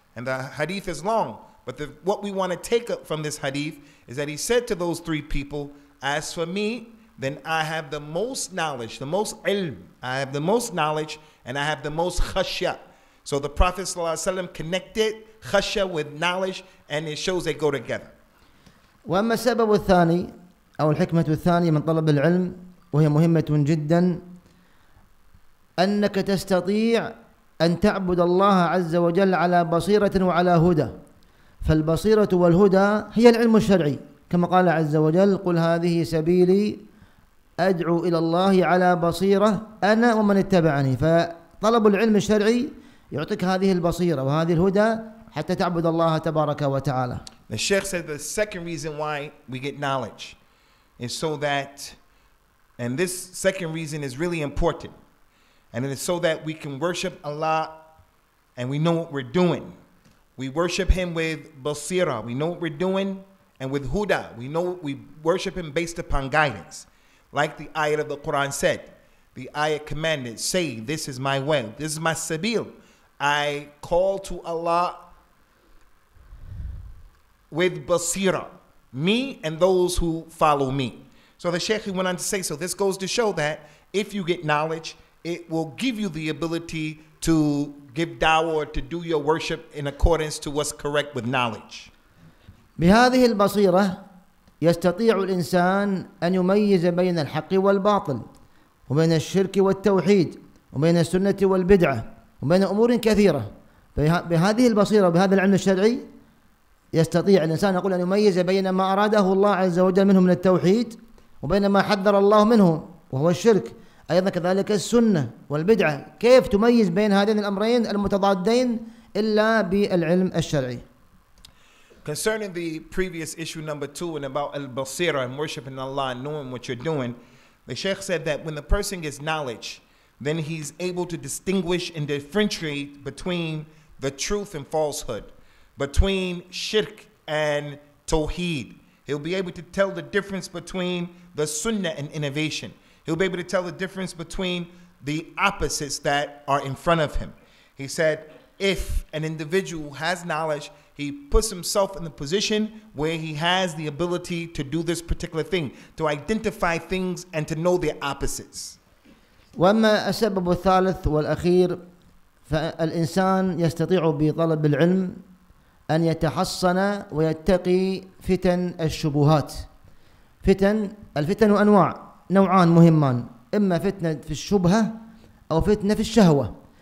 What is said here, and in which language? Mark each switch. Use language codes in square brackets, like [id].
[en] And the hadith is long, but what we want to take up from this hadith is that he said to those three people, as for me, then I have the most knowledge, the most ilm, I have the most knowledge, and I have the most khashya. So the Prophet sallallahu alaihi wasallam connected khashya with knowledge, and it shows they go together. [ar] واما السبب الثاني او الحكمه الثانيه من طلب العلم وهي مهمه جدا انك تستطيع ان تعبد الله عز وجل على بصيره وعلى هدى. فالبصيره والهدى هي العلم الشرعي كما قال عز وجل قل هذه سبيلي ادعو الى الله على بصيره انا ومن اتبعني. فطلب العلم الشرعي يعطيك هذه البصيرة وهذه الهدى حتى تعبد الله تبارك وتعالى. [en] The Sheikh said the second reason why we get knowledge is so that, and this second reason is really important, and it is so that we can worship Allah and we know what we're doing. We worship Him with basira, we know what we're doing, and with huda, we know we worship Him based upon guidance. Like the ayat of the Quran said, the ayat commanded, say, this is my way, this is my sabil. I call to Allah with basira, me and those who follow me. So the Sheikh went on to say, so this goes to show that if you get knowledge, it will give you the ability to give dawah or to do your worship in accordance to what's correct with knowledge. [ar] بهذه البصيرة يستطيع الإنسان أن يميز بين الحق والباطل وبين الشرك والتوحيد وبين السنة والبدعة وبين أمور كثيرة. بهذه البصيرة بهذا العلم الشرعي يستطيع الإنسان يقول أن يميز بين ما أراده الله عز وجل منه من التوحيد وبين ما حذر الله منه وهو الشرك. أيضا كذلك السنة والبدعة، كيف تميز بين هذين الأمرين المتضادين إلا بالعلم الشرعي. [en] Concerning the previous issue number two and about al-basira and worshiping Allah and knowing what you're doing, the Sheikh said that when the person gets knowledge, then he's able to distinguish and differentiate between the truth and falsehood, between shirk and tawheed. He'll be able to tell the difference between the sunnah and innovation. He'll be able to tell the difference between the opposites that are in front of him. He said, if an individual has knowledge, he puts himself in the position where he has the ability to do this particular thing, to identify things and to know their opposites. [ar] وأما السبب الثالث والأخير فالإنسان يستطيع بطلب العلم أن يتحصن ويتقي فتن الشبهات. فتن، الفتن أنواع، نوعان مهمان، إما فتنة في الشبهة أو فتنة في الشهوة.